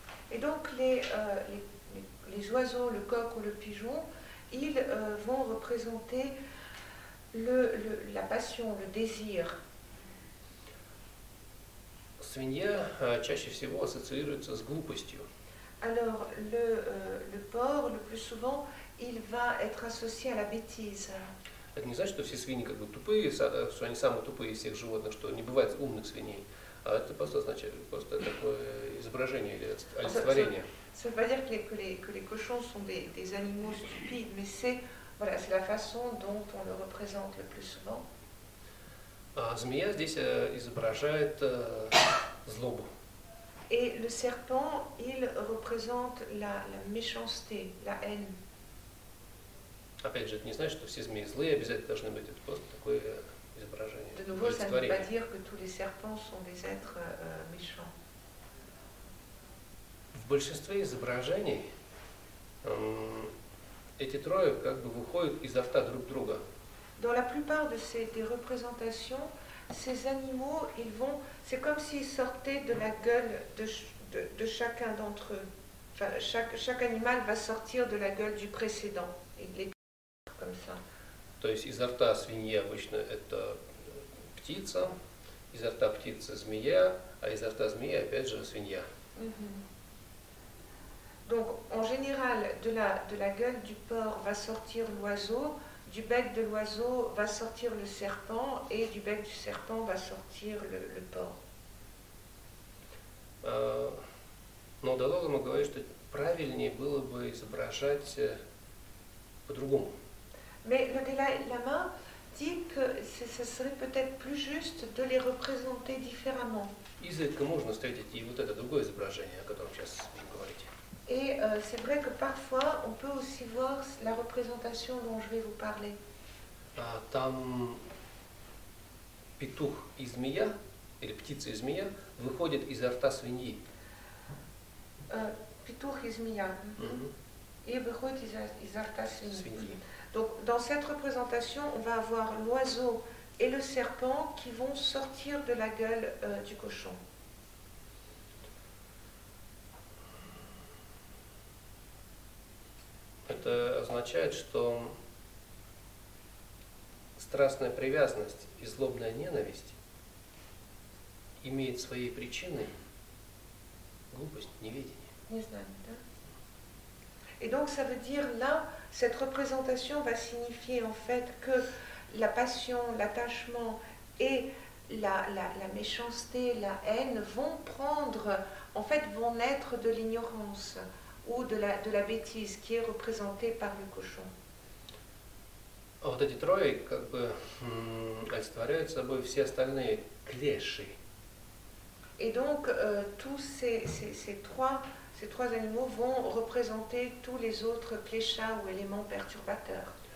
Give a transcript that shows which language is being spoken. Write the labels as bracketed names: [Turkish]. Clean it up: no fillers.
[French] Et donc les oiseaux, le coq ou le pigeon, ils vont représenter la passion, le désir. [Russian] Свинья чаще всего ассоциируется с глупостью. [French] Alors, le porc, le plus souvent, il va être associé à la bêtise. [Russian] Это не значит, что все свиньи как бы тупые, что они самые тупые из всех животных, что не бывает умных свиней. А это просто значит, просто такое изображение или олицетворение. [French] Ça veut pas dire que les cochons sont des animaux stupides, mais c'est la façon dont on le représente le plus souvent. [Russian] Змея здесь изображает злобу. [French] Et le serpent, il représente la méchanceté, la haine. [Russian] Опять же, это не значит, что все змеи злые, обязательно должны быть. Это просто такое изображение. [French] De nouveau, ça ne veut pas dire que tous les serpents sont des êtres méchants. [Russian] В большинстве изображений эти трое как бы выходят изо рта друг друга. [French] Dans la plupart de ces représentations, ces animaux, ils vont, c'est comme s'ils sortaient de la gueule de chacun d'entre eux. Enfin, chaque animal va sortir de la gueule du précédent. Et les... comme ça. [Russian] То есть изо рта свиньи обычно это птица, изо рта птица змея, а изо рта змеи опять же свинья. [French] Donc en général de la gueule du porc va sortir l'oiseau, du bec de l'oiseau va sortir le serpent et du bec du serpent va sortir le porc. [Russian] Но Далай-лама ему говорит, что правильнее было бы изображать по-другому. [French] Mais le Dalai-lama dit que ce serait peut-être plus juste de les représenter différemment. [Russian] Изредка можно встретить и вот это другое изображение, о котором сейчас будем говорить. [French] Et c'est vrai que parfois on peut aussi voir la représentation dont je vais vous parler. [Russian] Там петух и змея или птица и змея выходят изо рта свиньи. Петух и змея. И выходят изо рта свиньи. [French] Donc dans cette représentation, on va avoir l'oiseau et le serpent qui vont sortir de la gueule du cochon. [Russian] Это означает, что страстная привязанность и злобная ненависть имеют своей причиной глупость, неведение. Не знаю, да? [French] Et donc ça veut dire là, cette représentation va signifier en fait que la passion, l'attachement et la méchanceté, la haine vont prendre, en fait vont naître de l'ignorance ou de la bêtise qui est représentée par le cochon. [Russian] Вот эти трое как бы олицетворяют собой все остальные клеши. [French] Et donc tous ces trois animaux vont représenter tous les autres kleshas ou éléments perturbateurs.